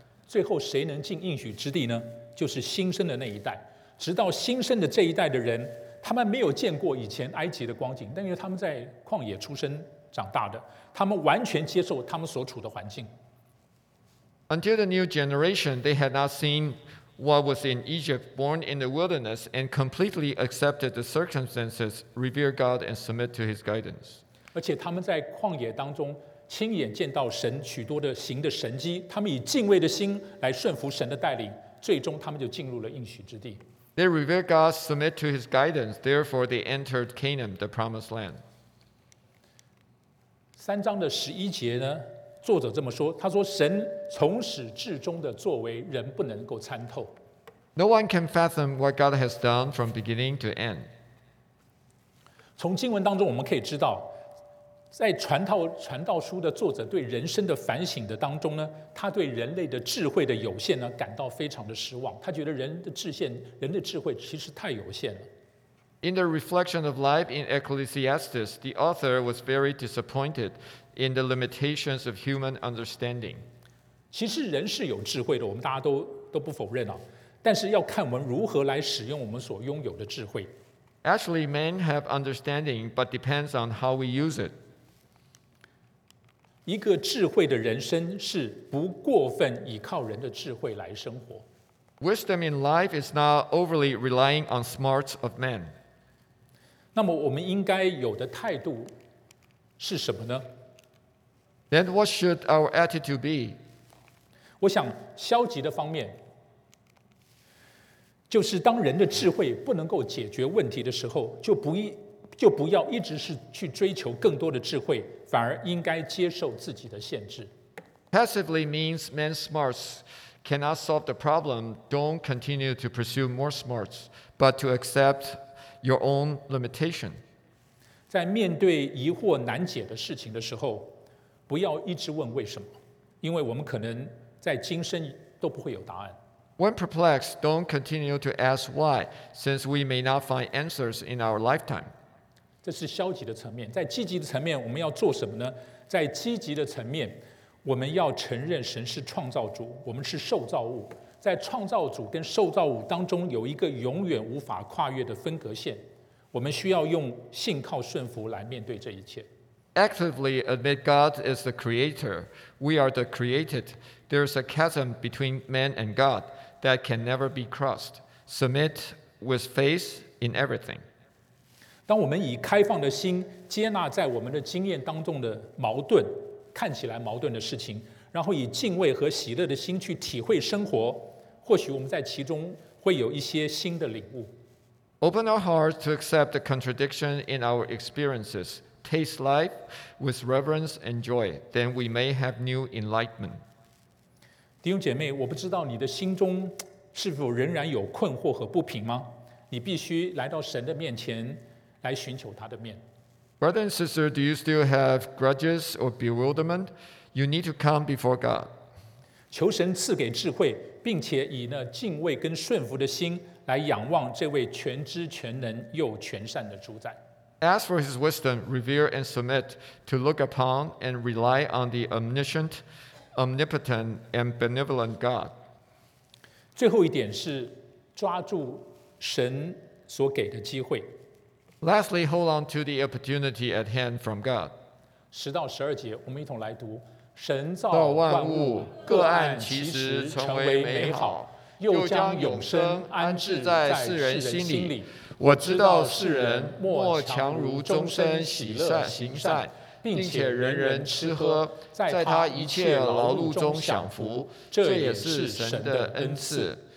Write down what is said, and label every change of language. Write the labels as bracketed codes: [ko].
[zh] 最后谁能进应许之地呢？就是新生的那一代。直到新生的这一代的人，他们没有见过以前埃及的光景，但因为他们在旷野出生长大的，他们完全接受他们所处的环境。 [en] Until the new generation, they had not seen what was in Egypt, born in the wilderness, and completely accepted the circumstances, revere God, and submit to His guidance. [zh] 而且他们在旷野当中亲眼见到神许多的行的神迹，他们以敬畏的心来顺服神的带领，最终他们就进入了应许之地。 [en] They revere God, submit to His guidance, therefore they entered Canaan, the promised land. [zh] 三章的十一节呢，作者这么说，他说神从始至终的作为人不能够参透。 [en] No one can fathom what God has done from beginning to end. [zh] 从经文当中我们可以知道，在传道书的作者对人生的反省的当中呢，他对人类的智慧的有限呢感到非常的失望，他觉得人的智慧其实太有限了。 [en] In the reflection of life in Ecclesiastes, the author was very disappointed in the limitations of human understanding. [zh] 其实人是有智慧的，我们大家 都不否认啊，但是要看我们如何来使用我们所拥有的智慧。 [en] Actually, men have understanding, but depends on how we use it. [zh] 一个智慧的人生是不过分依靠人的智慧来生活。 [en] Wisdom in life is not overly relying on smarts of men. [zh] 那么我们应该有的态度是什么呢？ [en] Then what should our attitude be? [zh] 我想消极的方面就是当人的智慧不能够解决问题的时候，就不要一直是去追求更多的智慧，反而应该接受自己的限制。 [en] Passively means men's smarts cannot solve the problem. Don't continue to pursue more smarts, but to acceptyour own limitation. [zh] 在面对疑惑难解的事情的时候，不要一直问为什么，因为我们可能在今生都不会有答案。 [en] When perplexed, don't continue to ask why, since we may not find answers in our lifetime. [zh] 这是消极的层面。在积极的层面，我们要做什么呢？在积极的层面，我们要承认神是创造主，我们是受造物。在创造主跟受造物当中有一个永远无法跨越的分隔线，我们需要用信靠顺服来面对这一切。 [en] Actively admit God is the creator. We are the created. There is a chasm between man and God that can never be crossed. Submit with faith in everything. [zh] 当我们以开放的心接纳在我们的经验当中的矛盾，看起来矛盾的事情，然后以敬畏和喜乐的心去体会生活，或许我们在其中会有一些新的领悟。 [en] Open our hearts to accept the contradiction in our experiences. Taste life with reverence and joy. Then we may have new enlightenment. [zh] 弟兄姐妹，我不知道你的心中是否仍然有困惑和不平吗？你必须来到神的面前来寻求他的面。 [en] Brother and sister, do you still have grudges or bewilderment? You need to come before God. [zh] 求神赐给智慧，并且以那敬畏跟顺服的心来仰望这位全知全能又全善的主宰。 [en] Ask for His wisdom, revere and submit to look upon and rely on the omniscient, omnipotent and benevolent God. [zh] 最后一点是抓住神所给的机会。 [en] Lastly, hold on to the opportunity at hand from God. [zh] 十到十二节，我们一同来读。神造万物，各按其时，成为美好。又将永生安置在世人心里。我知道世人莫强如终身喜乐行善，并且人人吃喝，在他一切劳碌中享福，这也是神的恩赐。